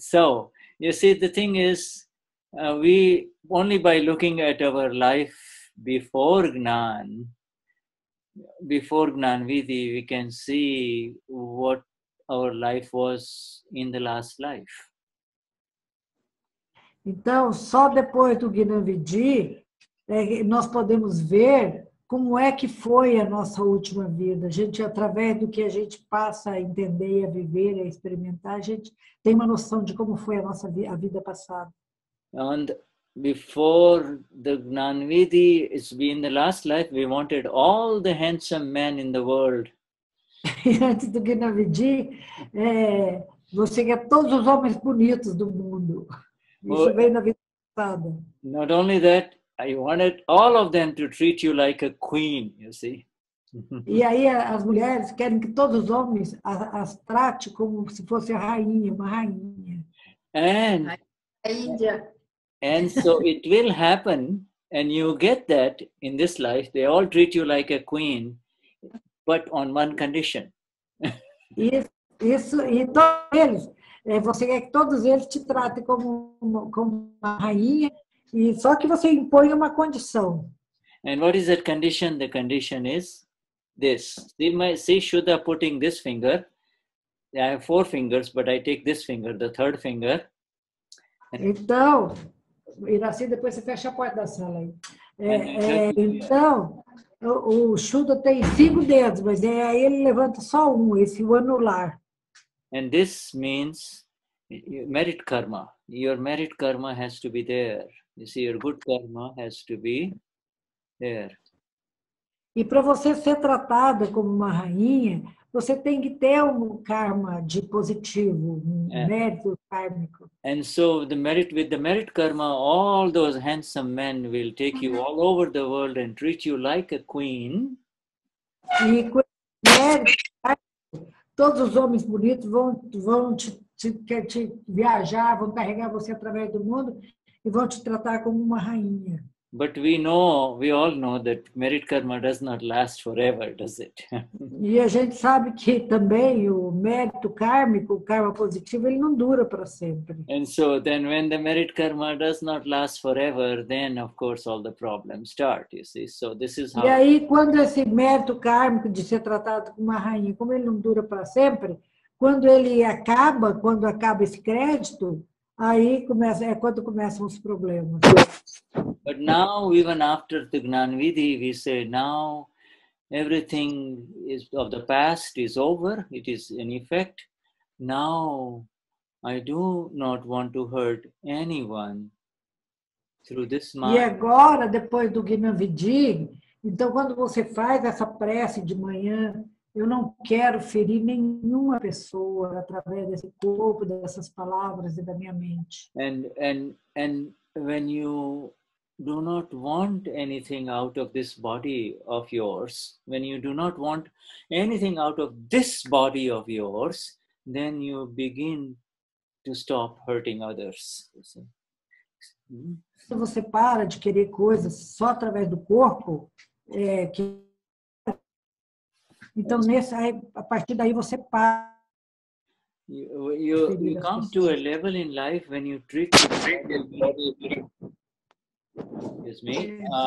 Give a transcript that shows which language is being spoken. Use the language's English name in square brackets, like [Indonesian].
[English] So, you see, the thing is, we only by looking at our life before Gnan Vidhi, we can see what our life was in the last life. [Portuguese] Então, só depois do Gnan Vidhi, nós podemos ver como é que foi a nossa última vida. A gente, através do que a gente passa a entender, a viver, a experimentar, a gente tem uma noção de como foi a nossa a vida passada. [English] And before the Gnan Vidhi, it's been the last life, we wanted all the handsome men in the world. [Portuguese] Antes do Gnan Vidhi, você quer todos os homens bonitos do mundo. Isso veio na vida passada. [English] Not only that, I wanted all of them to treat you like a queen, you see. [Portuguese] E aí as mulheres querem que todos os homens as trate como se fosse uma rainha. [English] And [Portuguese] a Índia. [English] And so it will happen, and you get that in this life. They all treat you like a queen, but on one condition. [Portuguese] Isso, e todos eles, você quer que todos eles te tratem como uma rainha, e só que você impõe uma condição. [English] And what is that condition? The condition is this. See Shuddha putting this finger. I have four fingers, but I take this finger, the third finger. [Portuguese] Então, e assim depois você fecha a porta da sala aí. Então, o Shuddha tem cinco dedos, mas aí ele levanta só um, esse, o anular. [English] And this means merit karma. Your merit karma has to be there. You see, your good karma has to be there. [Portuguese] E para você ser tratada como uma rainha, você tem que ter um karma de positivo, mérito kármico. [English] And so with the merit karma, all those handsome men will take you all over the world and treat you like a queen. [Portuguese] E com esse mérito, todos os homens bonitos vão te viajar, vão carregar você através do mundo e vão te tratar como uma rainha. [English] But we all know that merit karma does not last forever, does it? [Portuguese] E a gente sabe que também o mérito kármico, o karma positivo, ele não dura para sempre. [English] And so then when the merit karma does not last forever, then of course all the problems start, you see. So this is how. [Portuguese] E aí quando esse mérito kármico de ser tratado como uma rainha, como ele não dura para sempre, quando acaba esse crédito, aí começam os problemas. [English] But now, even after the Gnan Vidhi, we say now everything is of the past is over, it is in effect. Now I do not want to hurt anyone through this mind. [Portuguese] E agora, depois do Gnan Vidhi, então quando você faz essa prece de manhã, Eu não quero ferir nenhuma pessoa através desse corpo, dessas palavras e da minha mente. [English] And when you do not want anything out of this body of yours, when you do not want anything out of this body of yours, then you begin to stop hurting others. [Portuguese] Se você para de querer coisas só através do corpo, então a partir daí você para. [English] You come to a level in life when you treat the body. Excuse me.